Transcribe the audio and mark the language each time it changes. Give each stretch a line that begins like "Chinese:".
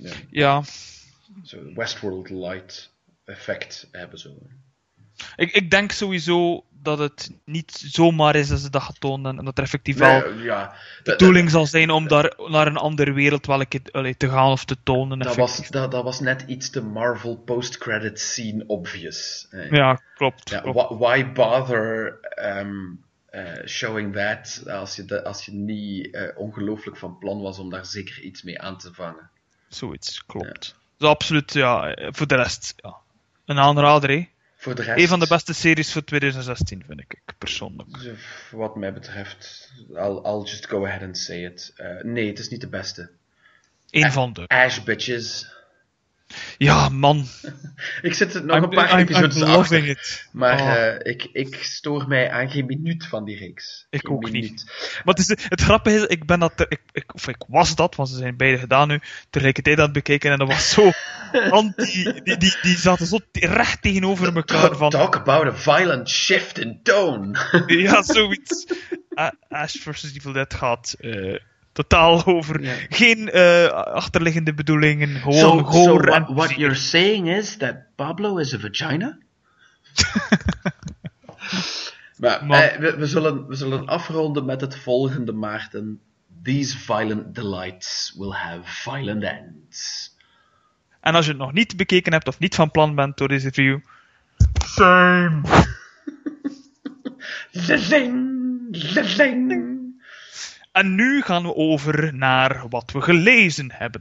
Dutch: Ja. Zo Westworld Light effect hebben. Zo. Ik denk sowieso dat het niet zomaar is dat ze dat getoond hebben. En dat er effectief wel de bedoeling zal zijn om daar naar een andere wereld wel een keer, te gaan of te tonen. Dat was net iets te Marvel
English: post-credit scene obvious.
Dutch: Hey. Ja, klopt. Ja, klopt.
English: Why bother showing that
Dutch: als je niet ongelooflijk van plan was om daar zeker iets mee aan te vangen? Zoiets, klopt. Ja. Dus absoluut, ja. Voor de rest, ja. Een aanrader, hè. Voor de rest... Een van de beste series voor 2016, vind ik persoonlijk. Wat mij betreft,
English: I'll just go ahead and say it.
Dutch: Nee, het is niet de beste. Eén van de.
English: Ash bitches.
Dutch: Ja, man. Ik zit er nog een paar episodes achter. It. Maar ik stoor mij aan geen minuut van die reeks. Ik ook niet. Maar het grappige is, ik was dat, want ze zijn beide gedaan nu, tegelijkertijd aan het bekijken en dat was zo... Want die zaten zo recht tegenover elkaar.
English: Talk about a violent shift in tone.
Dutch: Ja, zoiets. Ash vs. Evil Dead gaat... totaal over. Yeah. Geen achterliggende bedoelingen. Gewoon gore.
English: So what you're saying is that Pablo is a vagina?
Dutch: Maar we zullen afronden met het volgende, Maarten.
English: These violent delights will have violent ends.
Dutch: En als je het nog niet bekeken hebt of niet van plan bent door deze review.
English: Same.
Dutch: Zing, zing. En nu gaan we over naar wat we gelezen hebben.